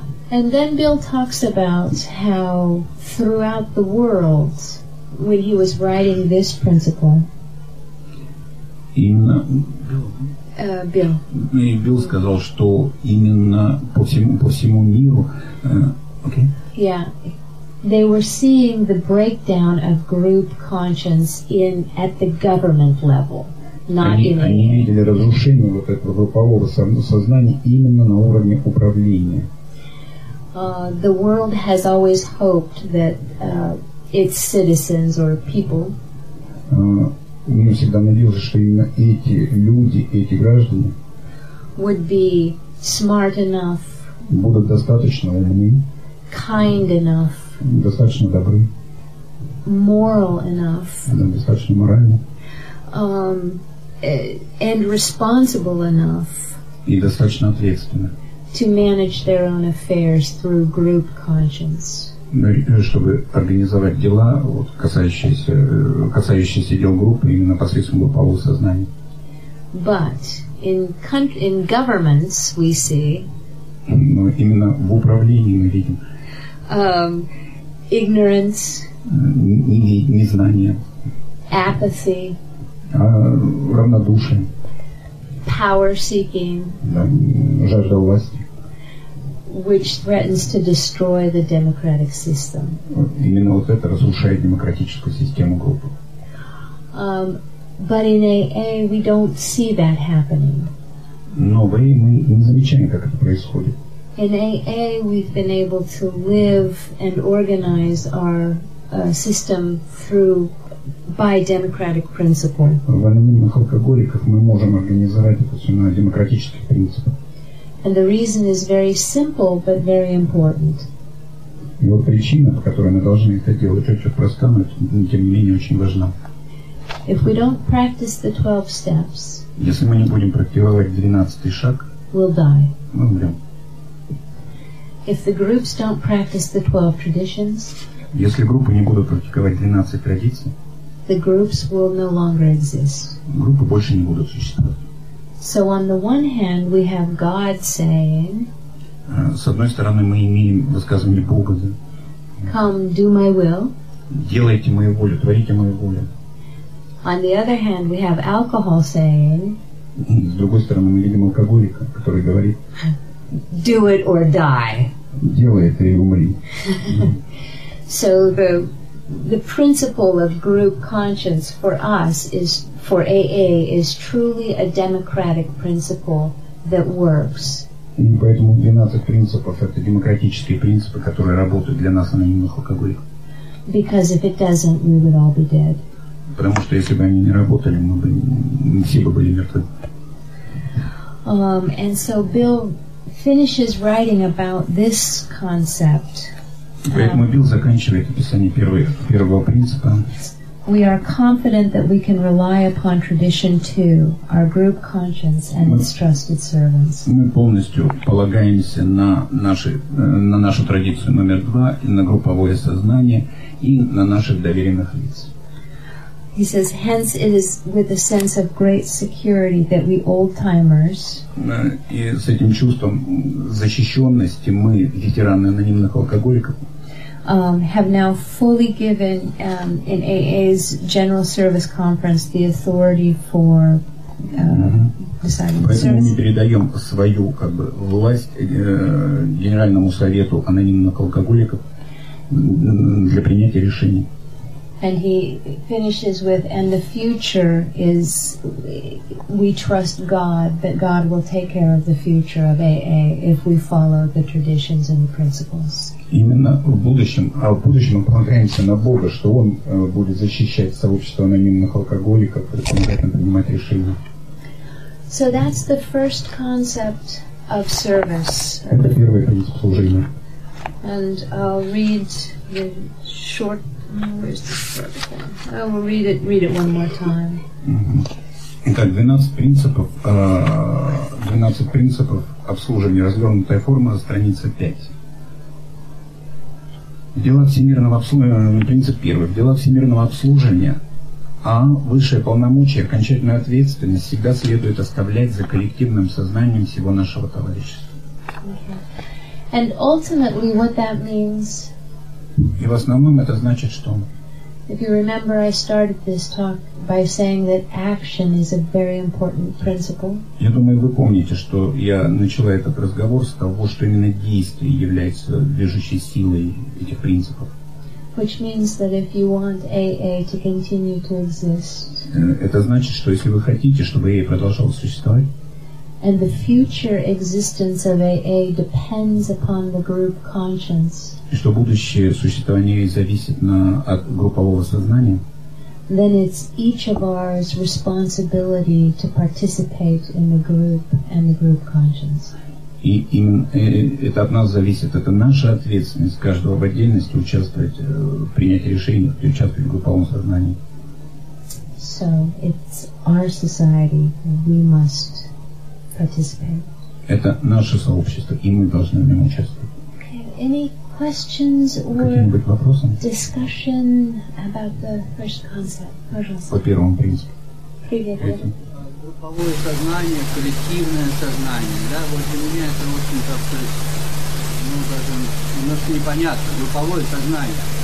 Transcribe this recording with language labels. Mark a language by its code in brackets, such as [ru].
[en] And then Bill talks about how throughout the world, when he was writing this principle, [ru] именно Bill. Bill сказал, что именно по всему миру. [en] Yeah. They were seeing the breakdown of group conscience at the government level, not in AA. [ru] Они видели разрушение вот этого группового сознания именно на уровне управления. [en] The world has always hoped that its citizens or people. [ru] Мир всегда надеялся, что именно эти люди, эти граждане, [en] would be smart enough. [ru] Будут достаточно умны. [en] Kind enough. [ru] Достаточно добры. [en] Moral enough. [ru] Достаточно моральны. [en] And responsible enough. [ru] И достаточно ответственны. [en] To manage their own affairs through group conscience. [ru] Чтобы организовать дела, вот, касающиеся дел группы, именно посредством группового сознания. [en] But in governments we see. [ru] Но именно в управлении мы видим. [en] Ignorance, [ru] незнание, [en] apathy, [ru] равнодушие, [en] power seeking, [ru] жажда власти, [en] which threatens to destroy the democratic system. [ru] Именно вот это разрушает демократическую систему группы. [en] But in AA we don't see that happening. [ru] Но в AA мы не замечаем, как это происходит. [en] In AA, we've been able to live and organize our system through by democratic principle. [ru] В анонимных алкоголиках мы можем организовать это все на демократических принципах. [en] And the reason is very simple, but very important. [ru] И вот причина, по которой мы должны это делать, очень проста, но тем не менее очень важна. [en] If we don't practice the 12 steps, [ru] если мы не будем практиковать 12-й шаг, [en] we'll die. [ru] Мы умрем. [en] If the groups don't practice the 12 traditions, [ru] если группы не будут практиковать 12 традиций, [en] the groups will no longer exist. [ru] Группы больше не будут существовать. [en] So on the one hand, we have God saying, [ru] с одной стороны, мы имеем высказывание Бога, да? [en] Come, do my will. [ru] Делайте мою волю, творите мою волю. [en] On the other hand, we have alcohol saying, [ru] с другой стороны, мы видим алкоголика, который говорит, [en] do it or die. [ru] делай это и умри. [en] So the principle of group conscience for us is, for AA, is truly a democratic principle that works. [ru] И поэтому 12 принципов — это демократические принципы, которые работают для нас анонимных алкоголиков. [en] Because if it doesn't, we would all be dead. [ru] Потому что если бы они не работали, мы бы все бы были мертвы. [en] And so Bill finishes writing about this concept. [ru] Поэтому Билл заканчивает описание первого принципа. [en] We are confident that we can rely upon tradition too, our group conscience and its trusted servants. [ru] Мы полностью полагаемся на нашу традицию номер два, и на групповое сознание и на наших доверенных лиц. [en] He says, hence it is with a sense of great security that we old-timers, [ru] и с этим чувством защищенности мы, ветераны анонимных алкоголиков, [en] have now fully given in AA's General Service Conference the authority for deciding. [ru] Поэтому мы передаем свою как бы власть Генеральному Совету анонимных алкоголиков для принятия решений. [en] And he finishes with, and the future is, we trust God, that God will take care of the future of AA if we follow the traditions and the principles. [ru] Именно в будущем мы полагаемся на Бога, что Он будет защищать сообщество анонимных алкоголиков и помогать принимать решения. [en] So that's the first concept of service. [ru] Это первый принцип служения. [en] And I'll read the short. Where's the short one? Oh, we'll read it one more time. Mm-hmm. [ru] Итак, 12 принципов обслуживания, развернутая форма, страница 5. Дела всемирного обслуживания, принцип первый. Дела всемирного обслуживания, а высшее полномочие, окончательную ответственность всегда следует оставлять за коллективным сознанием всего нашего товарищества. [en] Okay. And ultimately what that means. [ru] И в основном это значит, что... [en] If you remember, I started this talk by saying that action is a very important principle. [ru] Я думаю, вы помните, что я начала этот разговор с того, что именно действие является движущей силой этих принципов. [en] Which means that if you want AA to continue to exist... [ru] Это значит, что если вы хотите, чтобы AA продолжал существовать... [en] And the future existence of AA depends upon the group conscience. [ru] И что будущее существование зависит от группового сознания. [en] Then it's each of ours responsibility to participate in the group and the group conscience. [ru] И это от нас зависит, это наша ответственность каждого в отдельности участвовать, принять решение, участвовать в групповом сознании. [en] So it's our society, we must. [ru] Это наше сообщество, и мы должны в нем участвовать. [en] Okay. Any questions or [ru] вопросы? [en] Discussion about the first concept? [ru] Пожалуйста. По первому принципу. Привет. Групповое сознание, коллективное сознание. Да, вот для меня это очень как-то, ну, даже немножко непонятно. Групповое сознание.